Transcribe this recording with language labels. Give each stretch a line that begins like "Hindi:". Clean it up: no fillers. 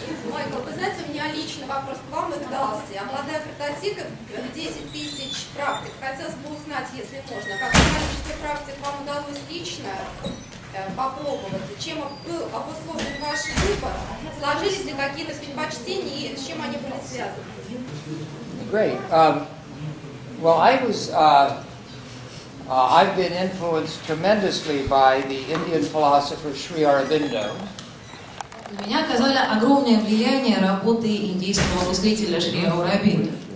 Russian: Майкл, вы знаете, у меня личный вопрос к вам удался. Обладая прототипом 10 тысяч практик, хотелось бы узнать, если можно, какое количество практик вам удалось лично попробовать, чем был обусловлен ваш выбор, сложились ли какие-то предпочтения и с чем они были связаны?
English: Great. Well, I was, I've been influenced tremendously by the Indian philosopher Sri Aurobindo.
Russian: Меня оказали огромное влияние работы индийского мыслителя Шри Аурабинда.